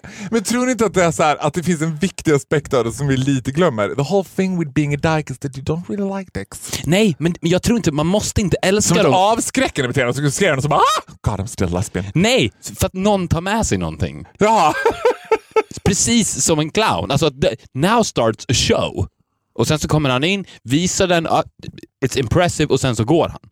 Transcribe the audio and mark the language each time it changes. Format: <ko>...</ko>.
<sv>Men tror inte att det är så här, att det finns en viktig aspekt av det som vi lite glömmer?</sv> <en>The whole thing with being a dyke is that you don't really like dicks.</en> <sv>Nej, men jag tror inte, man måste inte älska dem. Som avskräckande beteende, så skriver någon som bara,</sv> <en>God, I'm still lesbian.</en> <sv>Nej, för att någon tar med sig någonting. Ja. Precis som en clown. Alltså,</sv> <en>now starts a show.</en> <sv>Och sen så kommer han in, visar den,</sv> <en>it's impressive,</en> <sv>och sen så går han.</sv>